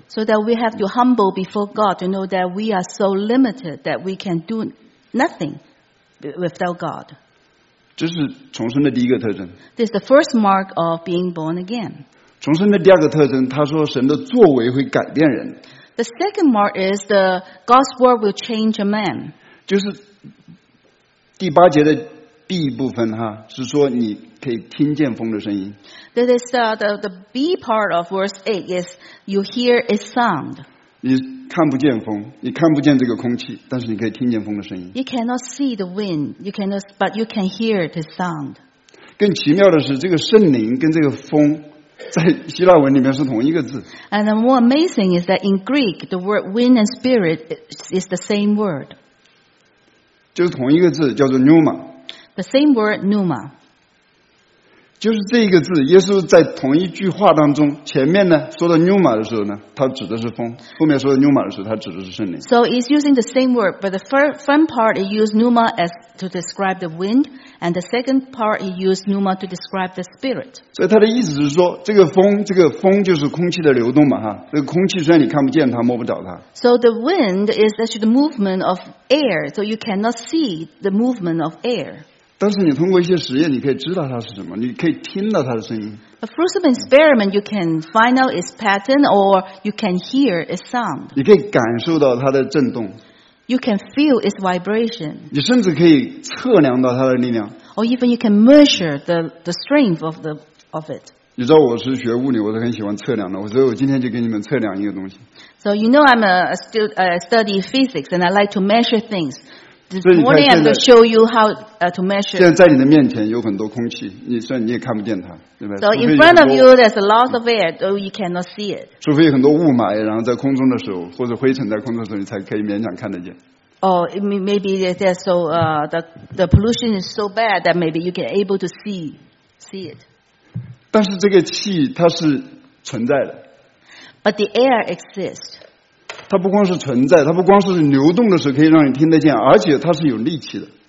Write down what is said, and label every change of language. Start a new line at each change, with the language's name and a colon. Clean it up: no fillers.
English: So that we have to humble before God to know that we are so limited that we can do nothing. Without God.
Chinese: 这是重生的第一个特征。
English: This is the first mark of being born again.
Chinese: 重生的第二个特征，他说神的作为会改变人。
English: The second mark is the God's word will change a man.
Chinese: 就是第八节的 B 部分哈，是说你可以听见风的声音。
English: That is the B part of verse 8 is you hear its sound.
Chinese: 你看不见风，你看不见这个空气，但是你可以听见风的声音。
English: You cannot see the wind, you cannot, but you can hear the sound.
Chinese: 更奇妙的是，这个圣灵跟这个风，在希腊文里面是同一个字。
English: And the more amazing is that in Greek, the word wind and spirit is the same word.
Chinese: 就是同一个字，叫做 pneuma.
English: The same word, pneuma.
Chinese: 就是这一个字，耶稣在同一句话当中，前面呢说到 pneuma 的时候呢，他指的是风；后面说到 pneuma 的时候，他指的是圣灵。
English: So it's using the same word, but the first part it used pneuma as to describe the wind, and the second part it used pneuma to describe the spirit.
Chinese: 所以他的意思是说，这个风就是空气的流动嘛，哈。这个空气虽然你看不见它，摸不着它。
English: So the wind is actually the movement of air, so you cannot see the movement of air.
Chinese: 但是你通过一些实验，你可以知道它是什么，你可以听到它的声音。
English: Through some experiment, you can find out its pattern, or you can hear its sound.
Chinese: 你可以感受到它的震动。
English: You can feel its vibration.
Chinese: 你甚至可以测量到它的力量。
English: Or even you can measure the strength of it.
Chinese: 你知道我是学物理，我是很喜欢测量的，所以我今天就给你们测量一个东西。
English: So you know I'm a study physics, and I like to measure things. This morning I'm going to show you how to measure.
Chinese: 现在在你的面前有很多空气，你虽然你也看不见它，对吧
English: ？So in front of you, there's a lot of air, though you cannot see it.
Chinese: 除非有很多雾霾，然后在空中的时候，或者灰尘在空中的时候，你才可以勉强看得见。
English: Oh, maybe there's so the pollution is so bad that maybe you can able to see it.
Chinese: 但是这个气它是存在的。
English: But the air exists.
Chinese: 它不光是存在，它不光是流动的时候可以让你听得见，而且它是有力气的。